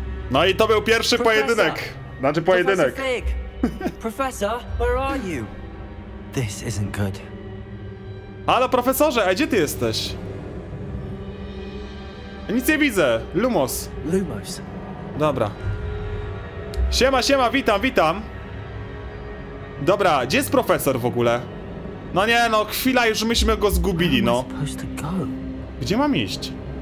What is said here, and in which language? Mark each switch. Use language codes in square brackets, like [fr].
[pl] No i to był pierwszy pojedynek. Znaczy pojedynek. [en] Professor, where are you? This isn't good. [pl] Halo, profesorze, a gdzie ty jesteś? Nic nie widzę. Lumos. Lumos. Dobra. Siema, witam. Dobra, gdzie jest profesor w ogóle? No nie, no chwila, już myśmy go zgubili, no. Gdzie mam iść?